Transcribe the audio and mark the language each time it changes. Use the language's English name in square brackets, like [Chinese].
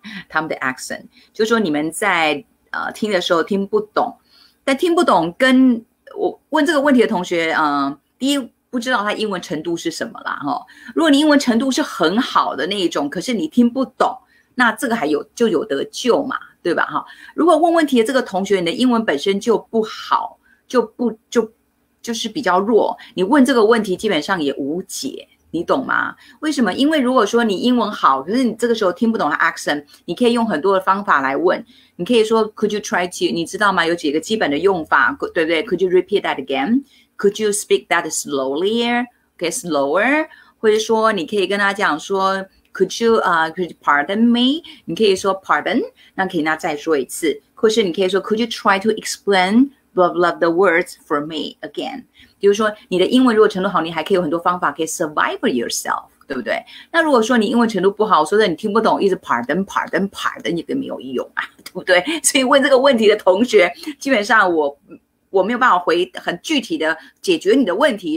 [Chinese] 他们的 accent， 就是说你们在听的时候听不懂，但听不懂跟我问这个问题的同学，第一不知道他英文程度是什么啦，哦，如果你英文程度是很好的那一种，可是你听不懂，那这个还有就有得救嘛，对吧，哦，如果问问题的这个同学你的英文本身就不好，就是比较弱，你问这个问题基本上也无解，你懂吗？为什么？因为如果说你英文好，可是你这个时候听不懂 accent， 你可以用很多的方法来问。你可以说 [English] Could you try to， [Chinese] 你知道吗？有几个基本的用法，对不对？ [English] Could you repeat that again？ Could you speak that slowlier？ Okay， slower， [Chinese] 或者说你可以跟他讲说 [English] Could you pardon me？ [Chinese] 你可以说 pardon， 那可以那再说一次，或是你可以说 [English] Could you try to explain blah blah the words for me again？ [Chinese] 比如说你的英文如果程度好，你还可以有很多方法可以 [English] survive yourself， [Chinese] 对不对？那如果说你英文程度不好，说的你听不懂，一直 pardon pardon pardon， 你根本没有用啊，对不对？所以问这个问题的同学，基本上我没有办法回很具体的解决你的问题。